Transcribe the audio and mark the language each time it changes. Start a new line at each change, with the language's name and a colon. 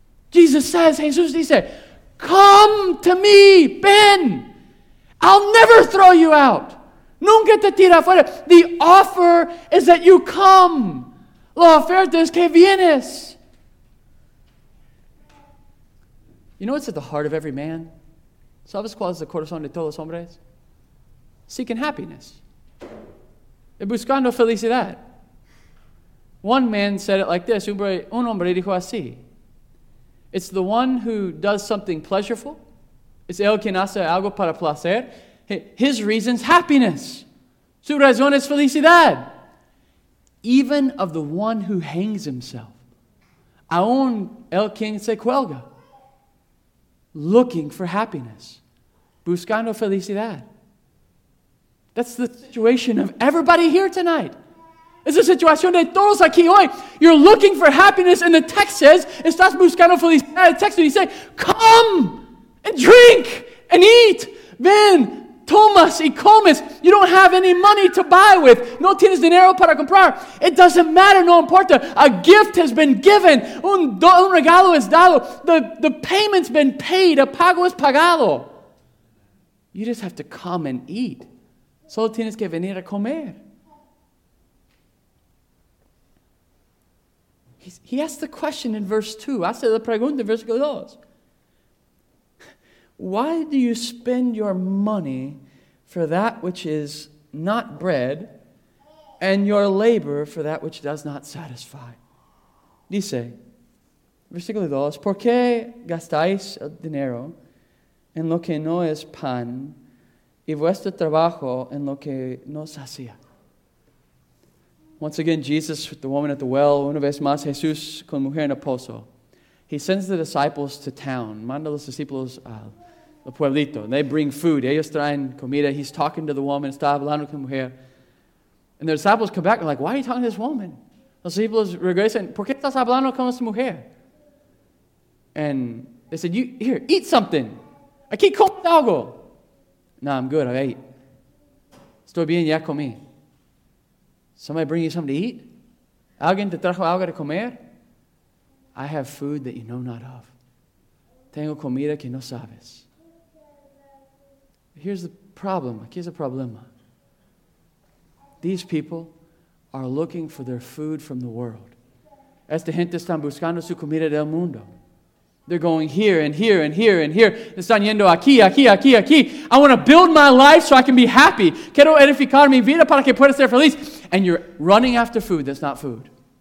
English: Jesus says,
Spanish: Jesus dice,
English: come to me, ven. I'll never throw you out.
Spanish: Nunca te tiro afuera.
English: The offer is that you come.
Spanish: La oferta es que vienes.
English: You know what's at the heart of every man?
Spanish: ¿Sabes cuál es el corazón de todos los hombres?
English: Seeking happiness.
Spanish: Buscando felicidad.
English: One man said it like this.
Spanish: Un hombre dijo así.
English: It's the one who does something pleasureful.
Spanish: Es el quien hace algo para placer.
English: His reason's happiness.
Spanish: Su razón es felicidad.
English: Even of the one who hangs himself.
Spanish: Aún el quien se cuelga.
English: Looking for happiness.
Spanish: Buscando felicidad.
English: That's the situation of everybody here tonight.
Spanish: Es la situación de todos aquí hoy.
English: You're looking for happiness, and the text says,
Spanish: estás buscando felicidad.
English: The text says, come and drink and eat.
Spanish: Ven, Tomas y comes.
English: You don't have any money to buy with.
Spanish: No tienes dinero para comprar.
English: It doesn't matter.
Spanish: No importa.
English: A gift has been given.
Spanish: Un regalo es dado.
English: The payment's been paid.
Spanish: A pago es pagado.
English: You just have to come and eat.
Spanish: Solo tienes que venir a comer.
English: He asked the question in verse 2.
Spanish: Hace la pregunta en versículo 2.
English: Why do you spend your money for that which is not bread, and your labor for that which does not satisfy?
Spanish: Dice, versículo 2, ¿por qué gastáis el dinero en lo que no es pan y vuestro trabajo en lo que no sacia?
English: Once again, Jesus with the woman at the well,
Spanish: una vez más Jesús con mujer en el pozo.
English: He sends the disciples to town,
Spanish: manda los discípulos al pueblito.
English: And they bring food.
Spanish: Ellos traen comida.
English: He's talking to the woman.
Spanish: Está hablando con mujer.
English: And the disciples come back and like, why are you talking to this woman?
Spanish: Los disciples regresan. ¿Por qué estás hablando con esta mujer?
English: And they said, here, eat something.
Spanish: Aquí comes algo.
English: No, I'm good. I ate.
Spanish: Estoy bien, ya comí.
English: Somebody bring you something to eat?
Spanish: ¿Alguien te trajo algo de comer?
English: I have food that you know not of.
Spanish: Tengo comida que no sabes.
English: Here's the problem.
Spanish: Aquí es el problema.
English: These people are looking for their food from the world.
Spanish: Esta gente están buscando su comida del mundo.
English: They're going here and here and here and here.
Spanish: Están yendo aquí, aquí, aquí, aquí.
English: I want to build my life so I can be happy.
Spanish: Quiero edificar mi vida para que pueda ser feliz.
English: And you're running after food that's not food.